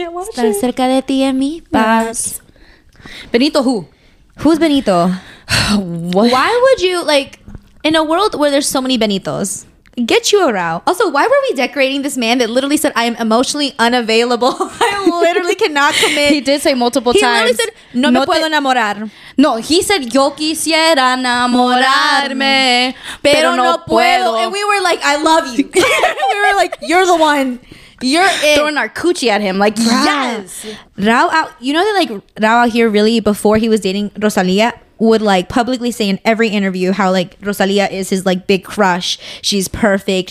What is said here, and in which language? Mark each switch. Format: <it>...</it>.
<es>Está cerca de ti en mi paz.</es> <en>Benito who? Who's Benito? What? Why would you, like, in a world where there's so many Benitos, get you around? Also, why were we decorating this man that literally said, I am emotionally unavailable? I literally cannot commit. He did say multiple times. He literally said,</en> <es>no me puedo enamorar.</es> <en>No, he said,</en> <es>yo quisiera enamorarme, pero no puedo.</es> <en>And we were like, I love you. We were like, you're the one. You're it. Throwing our coochie at him. Like, yes. Rao out. You know that, like, Rao out here, really, before he was dating Rosalía, would like publicly say in every interview how like Rosalía is his like big crush. She's perfect.</en>